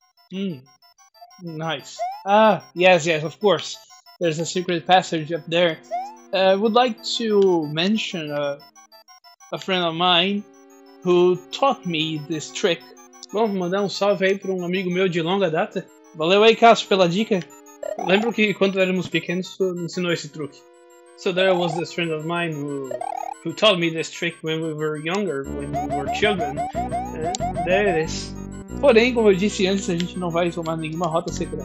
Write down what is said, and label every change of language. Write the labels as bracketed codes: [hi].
[en] Nice. Ah, yes, yes, of course. There's a secret passage up there. I would like to mention a friend of mine who taught me this trick. [pt] Bom, mandar um salve aí para um amigo meu de longa data. Valeu aí, Cássio, pela dica. Lembro que quando éramos pequenos, tu me ensinou esse truque. [en] So there was this friend of mine who taught me this trick when we were younger, when we were children. And there it is. [pt] Porém, como eu disse antes, a gente não vai tomar nenhuma rota secreta.